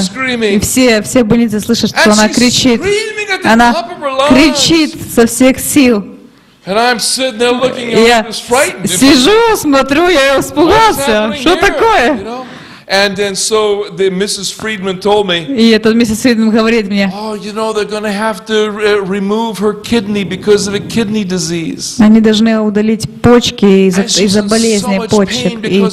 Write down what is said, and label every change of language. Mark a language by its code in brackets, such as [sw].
[ru] И все больницы слышат, что она кричит. Она кричит со всех сил. Я сижу, смотрю, я испугался. Что такое? [en] And then so the Mrs. Friedman told me. [ru] И этот миссис Фридман говорит мне. [en] Oh, you know they're going to have to remove her kidney because of a kidney disease. [ru] Они должны удалить почки из-за болезни почек.